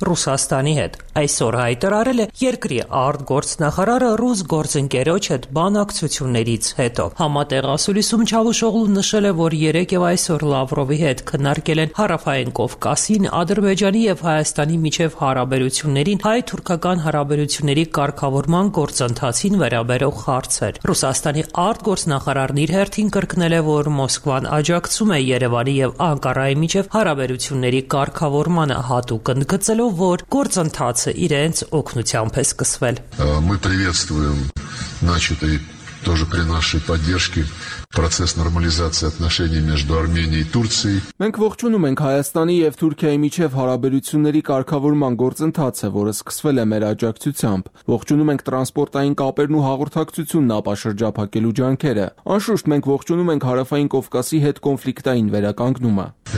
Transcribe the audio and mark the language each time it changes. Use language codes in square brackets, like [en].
[hy] Ռուսաստանի հետ։ Այսօր հայտարարել է երկրի արտգործնախարարը ռուս գործընկերոջ հետ բանակցություններից հետո։ Համատեղասուլիսում Չավուշօղլուն նշել է, որ երեկ և այսօր Լավրովի հետ քննարկել են Հարավային Կովկասին, Ադրբեջանի և Հայաստանի միջև հարաբերություններին, հայ-թուրքական հարաբերությունների կարգավորման գործընթացին վերաբերող հարցեր։ Ռուսաստանի արտգործնախարարն իր հերթին կրկնել է, որ Մոսկվան աջակցում է Երևանի և Անկարայի միջև հարաբերությունների կարգավորմանը, հատուկ ընդգծելով, որ գործընթացը իրենց օգնությամբ է սկսվել։ [ru] Мы приветствуем начатый тоже при нашей поддержке процесс нормализации отношений между Арменией и Турцией. [hy] Մենք ողջունում ենք Հայաստանի եւ Թուրքիայի միջև հարաբերությունների կարգավորման գործընթացը, որը սկսվել է մեր աջակցությամբ։ Ողջունում ենք տրանսպորտային կապերն ու հաղորդակցությունն ապաշրջապակելու ջանքերը։ Անշուշտ մենք ողջունում ենք Հարավային Կովկասի հետ կոնֆլիկտային վերականգնումը